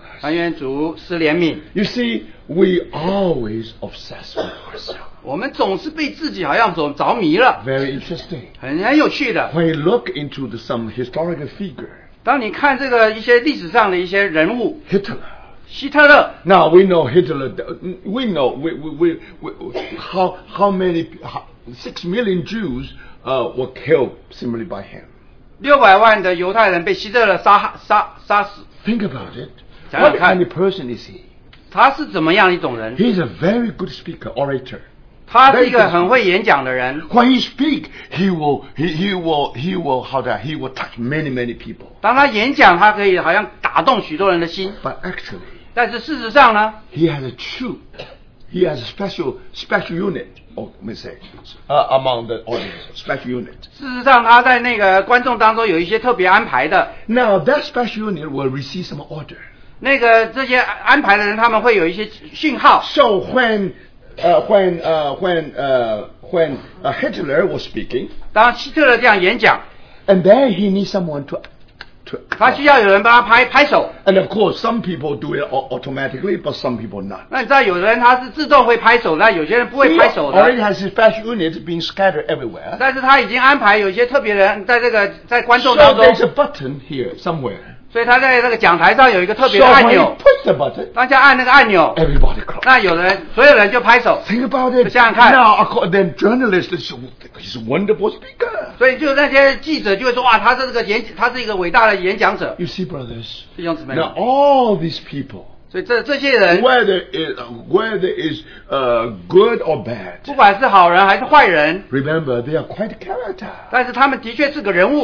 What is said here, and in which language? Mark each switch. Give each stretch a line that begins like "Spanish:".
Chinese: 但愿主施怜悯。
English: You see, we always obsess with ourselves.
Chinese: 我们总是被自己好像着迷了。
English: Very interesting.
Chinese: 很有趣的。
English: When you look into some historical figure,
Chinese: 当你看这个一些历史上的一些人物
English: Hitler,
Chinese: 希特勒。
English: Now we know Hitler. We know how many six million Jews were killed simply by him.
Chinese: 600万的犹太人被希特勒杀死。
English: Think about it. What kind of person is he?
Chinese: 他是怎么样一种人？
English: He's a very good speaker, orator.
Chinese: 他是一个很会演讲的人。
English: When he speaks, he will touch many many people.
Chinese: 当他演讲，他可以好像打动许多人的心。
English: But actually.
Chinese: 但是事实上呢？
English: He has a true, he has a special unit. Among the audience, special unit.
Chinese: 事实上，他在那个观众当中有一些特别安排的。
English: Now that special unit will receive some order.
Chinese: 那个这些安排的人，他们会有一些讯号。
English: So when Hitler was speaking,
Chinese: 当希特勒这样演讲
English: ，and then he needs someone to
Chinese: 他需要有人帮他拍手。
English: And of course, some people do it automatically, but some people not.
Chinese: 那你知道有的人他是自动会拍手，那有些人不会拍手的。
English: He already has his special units being scattered everywhere.
Chinese: 但是他已经安排有些特别人在这个在观众当中。
English: So there's a button here somewhere.
Chinese: 所以他在那个讲台上有一个特别的按钮。
English: So when you push the button,
Chinese: 当下按那个按钮。
English: Everybody clap.
Chinese: 那有的人所有人就拍手。
English: Think about it.
Chinese: 想想看。
English: Now, according to the journalist, he's a wonderful speaker.
Chinese: 所以就那些记者就会说哇他是这个演他是一个伟大的演讲者。
English: You see, brothers,
Chinese: 弟兄姊妹。
English: Now all these people,
Chinese: 所以这些人
English: whether is good or bad,
Chinese: 不管是好人还是坏人
English: remember, they are quite character.
Chinese: 但是他们的确是个人物。